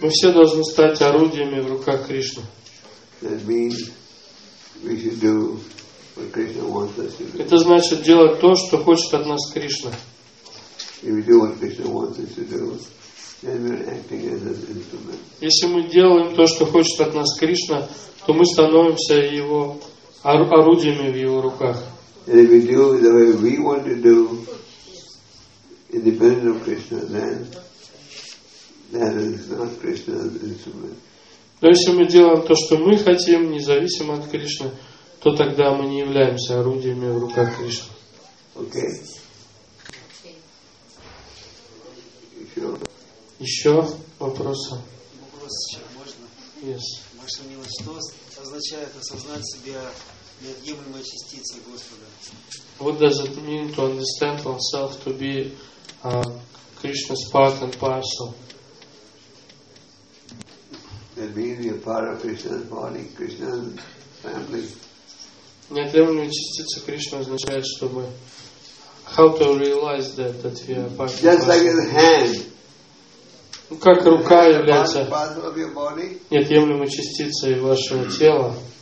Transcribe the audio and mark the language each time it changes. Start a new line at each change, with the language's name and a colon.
Russian: Мы все должны стать орудиями в руках Кришны.
English: That means we should do what Krishna wants us to do.
Russian: Это значит делать то, что хочет от нас Кришна.
English: If we do what Krishna wants us to do, then we're acting as an instrument.
Russian: Если мы делаем то, что хочет от нас Кришна, то мы становимся его орудиями в его руках.
English: And if we do it the way we want to do, independent of Krishna, then that is not Krishna's instrument.
Russian: Но если мы делаем то, что мы хотим, независимо от Кришны, то тогда мы не являемся орудиями в руках Кришны.
English: Okay.
Russian: Еще вопросы? Вопрос еще можно?
English: Yes.
Russian: Ваша милость, что означает осознать себя неотъемлемой частицей Господа?
English: What does it mean to understand oneself to be Krishna's part and parcel? That means you're part of Krishna's body, Krishna's family.
Russian: Неотъемлемая частица Кришны означает, что мы...
English: How to realize that, that we are part of Krishna? Just like a hand.
Russian: Ну, как рука является неотъемлемой частицей вашего тела.